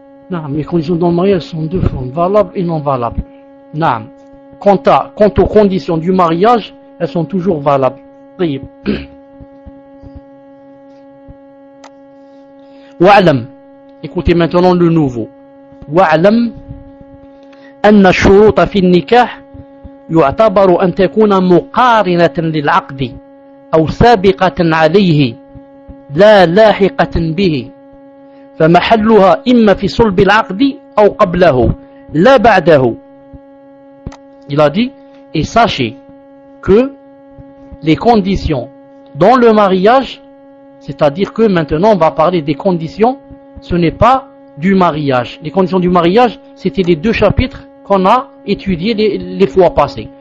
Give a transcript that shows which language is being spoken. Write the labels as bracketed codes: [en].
[fr] Non, les conditions dans le mariage sont deux formes, valables et non valables. Non. Quant aux conditions du mariage, elles sont toujours valables. Wa'alam. Écoutez maintenant le nouveau. [ar] Wa'alam. Anna shuruta fi nikah يعتبر أن تكون مقارنة للعقد أو سابقة عليه لا لاحقة به فمحلها إما في صلب العقد أو قبله لا بعده. [fr] Il a dit, et sachez que les conditions dans le mariage, c'est-à-dire que maintenant on va parler des conditions, ce n'est pas du mariage. Les conditions du mariage, c'était les deux chapitres qu'on a étudié les fois passées.